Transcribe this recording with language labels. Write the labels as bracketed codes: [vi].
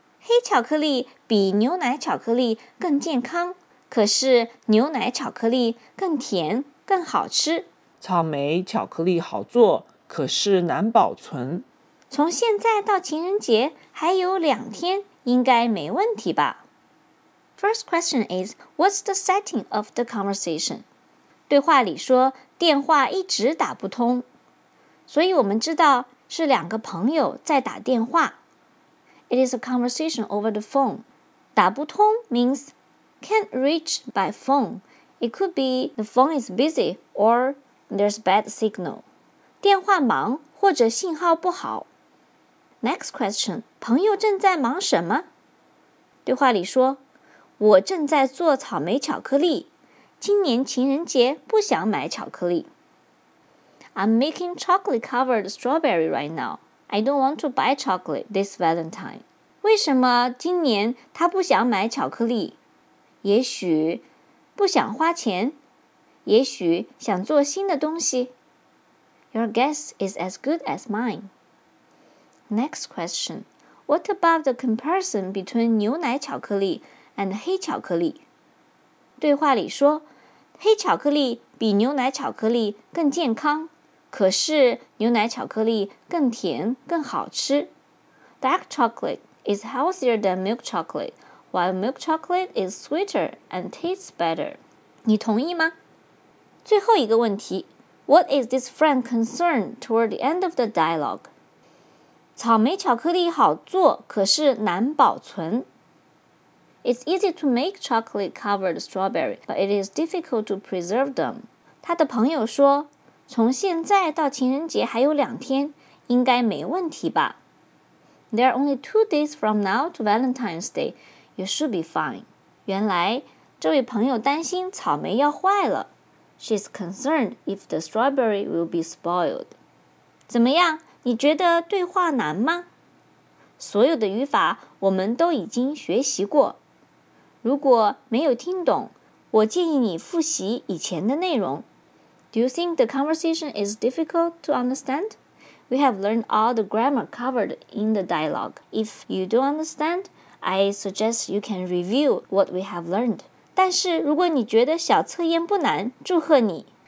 [zh] 黑巧克力比牛奶巧克力更健康，可是牛奶巧克力更甜，更好吃。草莓巧克力好做，可是难保存。从现在到情人节还有两天，应该没问题吧。 [en] First question is, what's the setting of the conversation? [zh] 对话里说电话一直打不通，所以我们知道是两个朋友在打电话。 [en] It is a conversation over the phone. 打不通 means can't reach by phone. It could be the phone is busy or there's bad signal. [zh] 电话忙或者信号不好。 [en] Next question. [zh] 朋友正在忙什么？对话里说，我正在做草莓巧克力。今年情人节不想买巧克力。 [en] I'm making chocolate-covered strawberry right now. I don't want to buy chocolate this Valentine. [zh] 为什么今年他不想买巧克力？也许不想花钱，也许想做新的东西。 [en] Your guess is as good as mine. Next question. What about the comparison between 牛奶巧克力 and 黑巧克力？ [zh] 对话里说，黑巧克力比牛奶巧克力更健康。可是牛奶巧克力更甜更好吃。 [en] Dark chocolate is healthier than milk chocolate, while milk chocolate is sweeter and tastes better. [zh] 你同意吗？最后一个问题， [en] What is this friend concerned toward the end of the dialogue? [zh] 草莓巧克力好做，可是难保存。 [en] It's easy to make chocolate-covered strawberry, but it is difficult to preserve them. [zh] 他的朋友说，从现在到情人节还有两天，应该没问题吧。 [en] There are only 2 days from now to Valentine's Day. You should be fine. [zh] 原来，这位朋友担心草莓要坏了。 [en] She's concerned if the strawberry will be spoiled. [zh] 怎么样？你觉得对话难吗？所有的语法我们都已经学习过。如果没有听懂，我建议你复习以前的内容。 [en] Do you think the conversation is difficult to understand? We have learned all the grammar covered in the dialogue. If you don't understand, I suggest you can review what we have learned. [zh] 但是如果你觉得小测验不难，祝贺你。